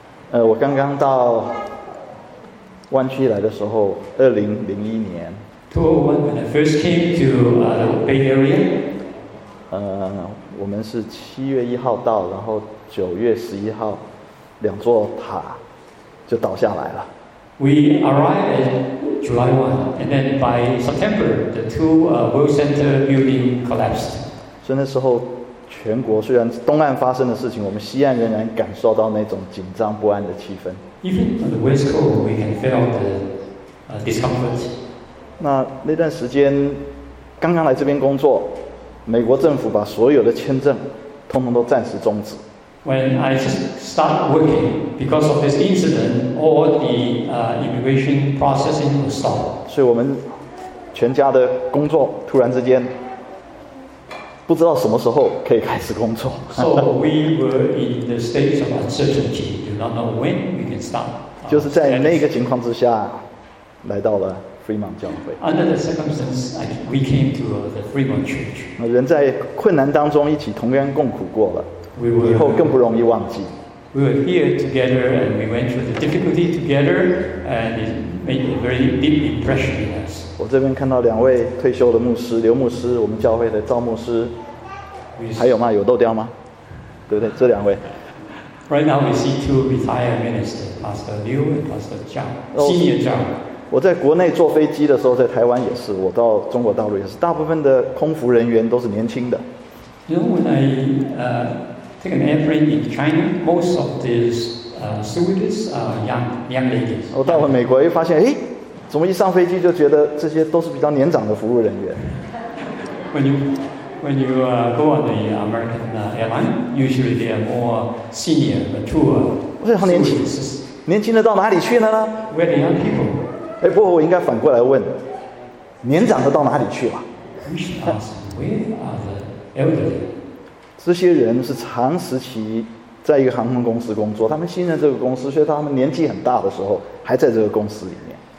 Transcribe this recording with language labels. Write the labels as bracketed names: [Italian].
[Chinese] 我刚刚到湾区来的时候，2001年。 [English] 2001, when I first came to the Bay Area. [Chinese] 我们是7月1号到，然后9月11号，两座塔就倒下来了。 [English] We arrived at July 1, and then by September, the two World Center buildings collapsed. [Chinese] 所以那时候，全国虽然东岸发生的事情，我们西岸仍然感受到那种紧张不安的气氛。 [English] Even on the West Coast, we can feel the discomfort. [Chinese] 那段时间，刚刚来这边工作，美国政府把所有的签证，通通都暂时终止。 [English] When I start working, because of this incident, all the immigration processing was stopped. [Chinese] 所以我们全家的工作突然之间不知道什么时候可以开始工作。 [English] So we were in the state of uncertainty, do not know when we can start. [Chinese] 就是在那个情况之下，来到了 Fremont 教会。 [English] Under the circumstances, we came to the Fremont Church. [Chinese] 人在困难当中一起同甘共苦过了。以后更不容易忘记。 [English] We were here together, and we went through the difficulty together, and it made a very deep impression on us. [Chinese] 我这边看到两位退休的牧师，刘牧师，我们教会的赵牧师，还有吗？有豆雕吗？对不对？这两位。 [English] Right now, we see two retired ministers, Pastor Liu and Pastor Zhang, Senior Zhang. [Chinese] 我在国内坐飞机的时候，在台湾也是，我到中国大陆也是，大部分的空服人员都是年轻的。 [English] You know, when I take an airplane in China, most of these stewardess are young ladies. [Chinese] 我到了美国，又发现，怎么一上飞机就觉得这些都是比较年长的服务人员 [English] ？When you go on the American airline, usually they are more senior, mature. [Chinese] 我好年轻，年轻的到哪里去了呢 [English] ？Where the young people? [Chinese] 不过我应该反过来问，年长的到哪里去了 [English] ？We should ask where are the elderly? [Chinese] 这些人是长时期在一个航空公司工作，他们信任这个公司，所以他们年纪很大的时候还在这个公司里面。